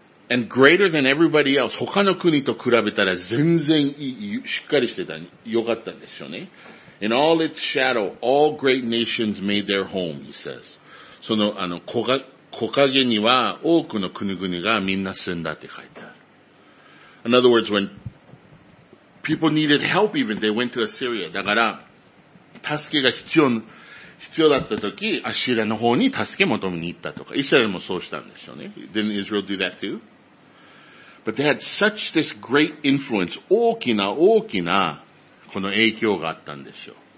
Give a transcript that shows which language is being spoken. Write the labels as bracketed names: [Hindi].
[English] And greater than everybody else. [Japanese] 他の国と比べたら全然いい、しっかりしてた、よかったんでしょうね。 [English] In all its shadow, all great nations made their home, he says. [Japanese] その、木陰には多くの国々がみんな住んだって書いてある。 [English] In other words, when people needed help even, they went to Assyria. [Japanese] だから、助けが必要だったとき、アッシリアの方に助け求めに行ったとか、イスラエルもそうしたんでしょうね。 [English] Didn't Israel do that too? But they had such this great influence, [Japanese] 大きな大きなこの影響があったんでしょう。